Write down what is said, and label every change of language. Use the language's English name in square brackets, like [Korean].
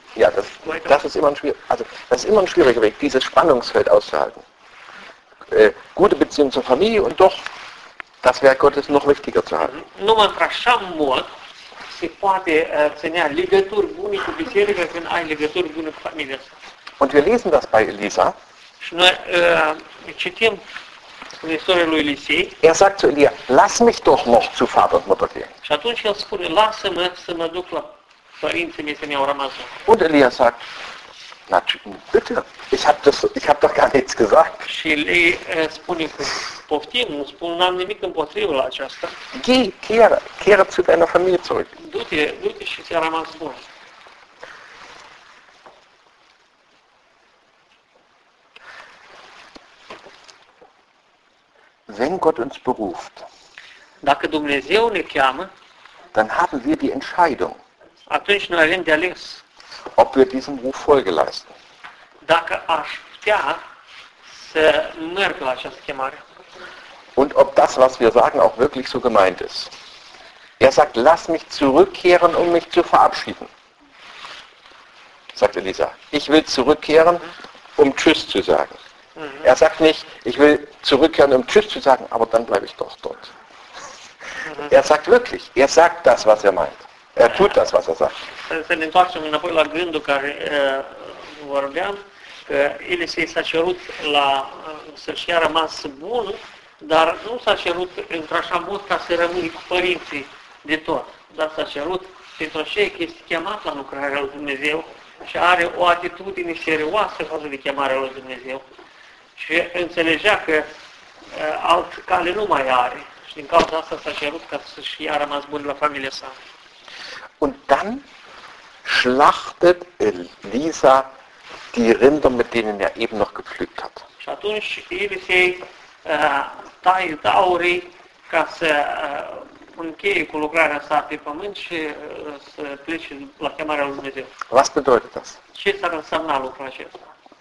[German] Ja, das ist immer ein schwierig, also das ist immer ein schwieriger Weg, dieses Spannungsfeld auszuhalten. Gute Beziehung zur Familie und doch das Werk Gottes noch wichtiger zu halten. [Romanian] Numai într-așa mod se poate ține legături bune cu biserica când ai legături bune cu familia. [German] Und wir lesen das bei Elisa. [Romanian] Și noi citim in istoria lui Elisei. [German] Er sagt zu Elia, lass mich doch noch zu Vater und Mutter gehen. [Romanian] Și atunci el spune, lasă-mă să mă duc la părinții mei să mi-au rămas. [German] Und Elia sagt, na, bitte, ich hab doch gar nichts gesagt. [Romanian] Și Elie spune, poftim, nu spun, n-am nimic împotrivă la aceasta. [German] Geh, kehre zu deiner Familie zurück. [Romanian] Du-te și ți-a rămas bun. [German] Wenn Gott uns beruft, [Romanian] dacă Dumnezeu ne cheamă, [German] dann haben wir die Entscheidung, [Romanian] atunci noi avem de ales, [German] ob wir diesem Ruf Folge leisten. [Romanian] Dacă aș putea să merg la această chemare. [German] Und ob das, was wir sagen, auch wirklich so gemeint ist. Er sagt, lass mich zurückkehren, um mich zu verabschieden. Sagt Elisa, ich will zurückkehren, um Tschüss zu sagen. Mhm. Er sagt nicht, ich will zurückkehren, um Tschüss zu sagen, aber dann bleibe ich doch dort. Mhm. Er sagt wirklich, er sagt das, was er meint. Er tut das, was er sagt. [Romanian] Să ne întoarcem înapoi la gândul care vorbeam, că Elisei s-a cerut să-și ia rămas bun, dar nu s-a cerut într-așa mod ca să rămâi cu părinții de tot, dar s-a cerut pentru aceea că este chemat la lucrarea lui Dumnezeu și are o atitudine serioasă față de chemarea lui Dumnezeu. Și înțelegea că alt cale nu mai are. Și din cauza asta s-a cerut ca să-și ia rămas bun la familia sa. [German] Und dann schlachtet Elisa die Rinder, mit denen er eben noch gepflügt hat. [Romanian] Și atunci Elisei taie taurii ca să încheie cu lucrarea sa pe pământ și să plece la chemarea lui Dumnezeu. [German] Was bedeutet das? [Romanian] Ce s-ar însemna lucrul acesta?